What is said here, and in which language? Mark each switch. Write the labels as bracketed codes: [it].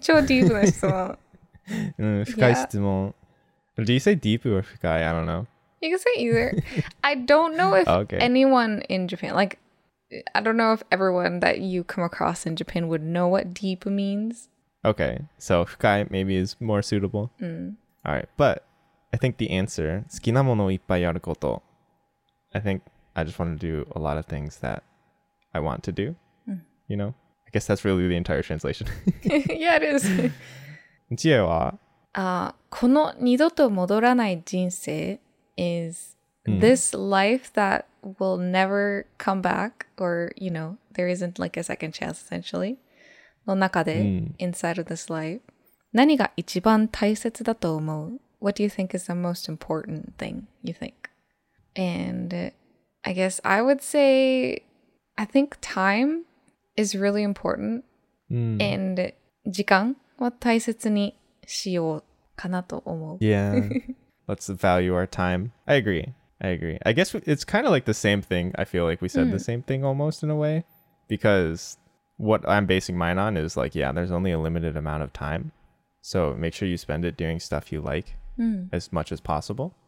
[ja] 超ディープな質問。深い質問。 [en] Do you say deep or [ja] 深い? [en] I don't know. You can say either. I don't know if anyone in Japan, like, I don't know if everyone that you come across in Japan would know what deep means. Okay, so [ja] 深い [en] maybe is more suitable. Mm. All right, but I think the answer, [ja] 好きなものをいっぱいやること. [en] I think I just want to do a lot of things that I want to do, you know? I guess that's really the entire translation. Yeah, it is. [ja] 知恵は? この二度と戻らない人生 [en] is this life that will never come back, or, you know, there isn't like a second chance, essentially, の中で, inside of this life. [ja] 何が一番大切だと思う? [en] What do you think is the most important thing, you think? And I guess I would say, I think time is really important. Mm. And [ja] 時間は大切にしようかなと思う. [en] Yeah, let's value our time. I agree. I agree. I guess it's kind of like the same thing. I feel like we said the same thing almost in a way. Because what I'm basing mine on is like, yeah, there's only a limited amount of time. So make sure you spend it doing stuff you like as much as possible.